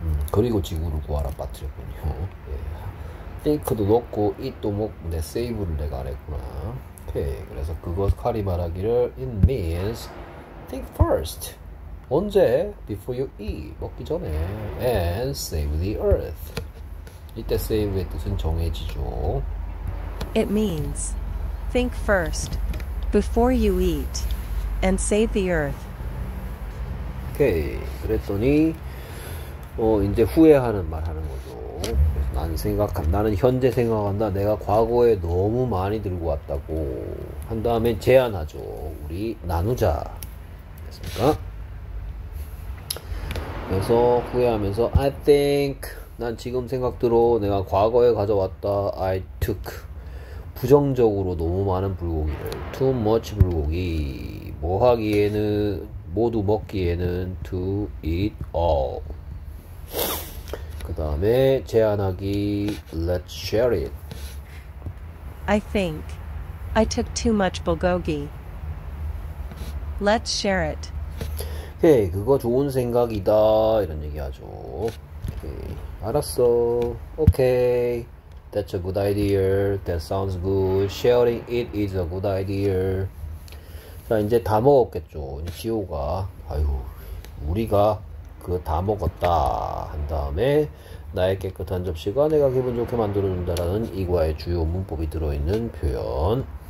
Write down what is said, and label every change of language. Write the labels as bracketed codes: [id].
[ko] 그리고 지구를 구하라 빠뜨렸군요. 띵크도 넣고 잇도 먹고 내 세이브를 내가 안 했구나. 오케이. 그래서 그것 칼이 말하기를 [en] It means think first. [ko] 언제? [en] Before you eat. [ko] 먹기 전에. [en] And save the earth. [ko] 이때 세이브의 뜻은 정해지죠. [en] It means think first before you eat and save the earth. [ko] 오케이. 그랬더니 이제 후회하는 말 하는 거죠. 나는 현재 생각한다. 내가 과거에 너무 많이 들고 왔다고 한 다음에 제안하죠. 우리 나누자. 됐습니까? 그래서 후회하면서 [en] I think [ko] 난 지금 생각대로 내가 과거에 가져왔다. I took 부정적으로 너무 많은 불고기를 [en] too much [ko] 불고기 뭐 하기에는 모두 먹기에는 [en] to eat all. [ko] 그 다음에 제안하기 [en] Let's share it. I think I took too much bulgogi. Let's share it. [ko] 오케이, 그거 좋은 생각이다. 이런 얘기하죠. 오케이, 알았어. [en] 오케이, that's a good idea. That sounds good. Sharing it is a good idea. [ko] 자, 이제 다 먹었겠죠. 지호가, 아유, 우리가 그다 먹었다 한 다음에 나의 깨끗한 접시가 내가 기분 좋게 만들어준다라는 이과의 주요 문법이 들어있는 표현.